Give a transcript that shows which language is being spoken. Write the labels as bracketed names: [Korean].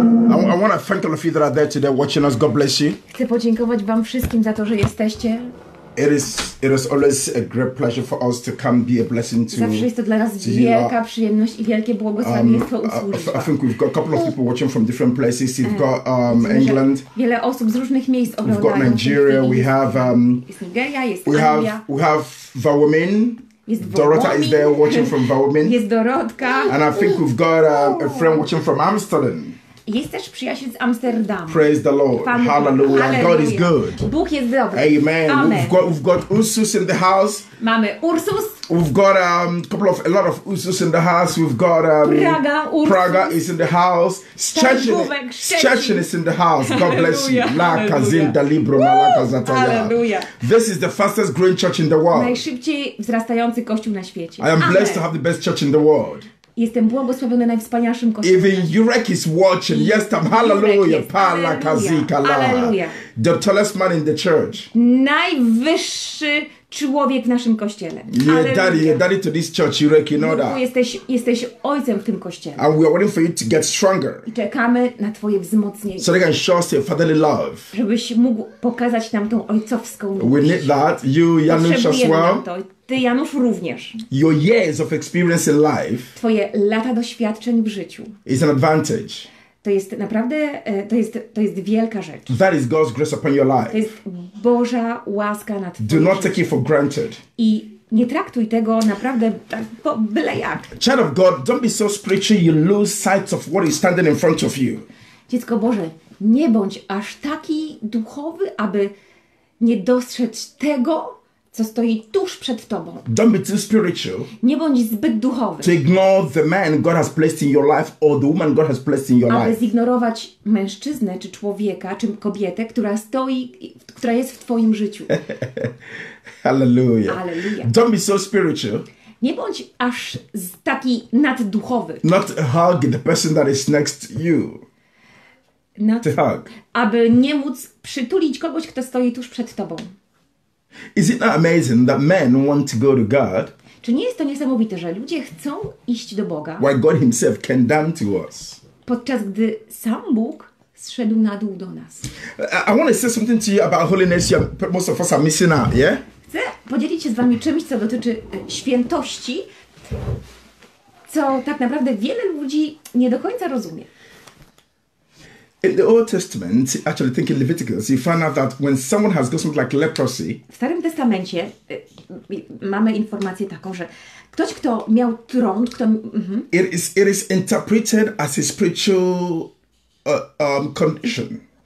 [English] I want to thank all of you that are there today watching us. God bless you. [Polish] Chcę podziękować wam wszystkim za to, że jesteście. [English] It is always a great pleasure for us to come be a blessing to. [Polish] Zawsze jest to dla nas wielka przyjemność i wielkie błogosławieństwo usłyszeć. [English] I think we've got a couple of people watching from different places. We've got England. [Polish] Wiele osób z różnych miejsc oglądają. [English] We've got Nigeria. We have [Polish] Jest Nigeria, jest Anglia. [English] We have Wawomin. [Polish] Jest [English] Dorota is there watching from Wawomin. [Polish] Jest Dorotka. [English] And I think we've got a friend watching from Amsterdam. [Polish] Jest też przyjaciel z Amsterdamu. [English] Praise the Lord. Hallelujah. God is good. [Polish] Bóg jest dobry. Amen. Amen. [English] We've got Ursus in the house. [Polish] Mamy Ursus. [English] We've got a lot of Ursus in the house. We've got Praga. Ursus. Praga is in the house. Szczecin is in the house. God bless you. La Kazinda Libro Malakazataya. This is the fastest growing church in the world. [Polish] Najszybciej wzrastający kościół na świecie. [English] I am blessed to have the best church in the world. [Polish] Jestem błogosławiony najwspanialszym kościołem. [English] Even Jurek is watching. Yes, I'm hallelujah. Pala kazika la. The tallest man in the church. [Polish] Najwyższy człowiek w naszym kościele. [English] Yeah, daddy to this church, Jurek, you know that. [Polish] Jesteś ojcem w tym kościele. [English] And we are waiting for you to get stronger. [Polish] I czekamy na twoje wzmocnienie. [English] So they can show us your fatherly love. [Polish] Żebyś mógł pokazać nam tą ojcowską miłość. [English] We need that. You, Janusz, as well. [Polish] Ty, Janusz, również. [English] Your years of experience in life. [Polish] Twoje lata doświadczeń w życiu. [English] Is an advantage. [Polish] To jest naprawdę, to jest wielka rzecz. [English] That is God's grace upon your life. [Polish] To jest Boża łaska nad twoim. [English] Do not take it for granted. [Polish] I nie traktuj tego naprawdę tak po byle jak. [English] Child of God, don't be so spiritual you lose sight of what is standing in front of you. [Polish] Dziecko Boże, nie bądź aż taki duchowy, aby nie dostrzec tego, co stoi tuż przed tobą. [English] Don't be too spiritual. [Polish] Nie bądź zbyt duchowy. [English] To ignore the man God has placed in your life or the woman God has placed in your [Polish] aby [English] life. [Polish] Aby zignorować mężczyznę czy człowieka, czy kobietę, która jest w twoim życiu. [English] Hallelujah. Don't be so spiritual. [Polish] Nie bądź aż taki nadduchowy. [English] Not hug the person that is next to you. To hug. [Polish] Aby nie móc przytulić kogoś, kto stoi tuż przed tobą. [English] Is it not amazing that men want to go to God? [Polish] Czy nie jest to niesamowite, że ludzie chcą iść do Boga? [English] While God himself came down to us. [Polish] Podczas gdy sam Bóg zszedł na dół do nas. [English] I want to say something to you about holiness. Most of us are missing out, yeah? [Polish] Chcę podzielić się z wami czymś, co dotyczy świętości, co tak naprawdę wiele ludzi nie do końca rozumie. [English] In the Old Testament, actually think in Leviticus, you find out that when someone has got something like leprosy. [Polish] W Starym Testamencie mamy informację taką, że ktoś, kto miał trąd, kto. [English] It is interpreted as a spiritual condition.